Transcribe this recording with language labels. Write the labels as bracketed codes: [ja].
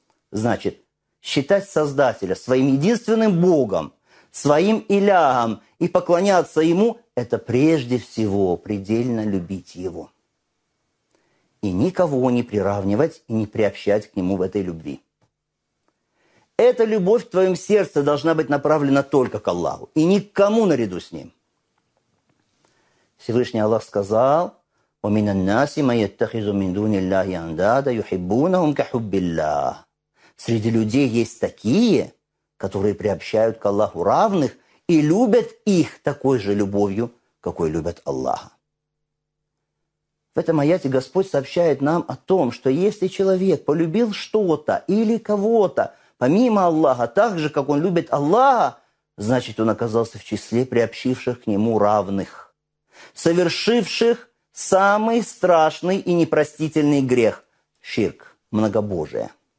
[ru] Значит, считать Создателя своим единственным Богом, своим Илляхом и поклоняться Ему – это прежде всего предельно любить Его. И никого не приравнивать и не приобщать к Нему в этой любви. Эта любовь в твоем сердце должна быть направлена только к Аллаху и никому наряду с Ним. Всевышний Аллах сказал: [ar] وَمِنَ النَّاسِ مَنْ يَتَّخِذُ مِنْ دُونِ اللَّهِ أَنْدَادًا يُحِبُّونَهُمْ كَحُبِّ اللَّهِ. [ru] Среди людей есть такие, которые приобщают к Аллаху равных и любят их такой же любовью, какой любят Аллаха. В этом аяте Господь сообщает нам о том, что если человек полюбил что-то или кого-то помимо Аллаха так же, как он любит Аллаха, значит, он оказался в числе приобщивших к нему равных, совершивших самый страшный и непростительный грех – ширк, многобожие.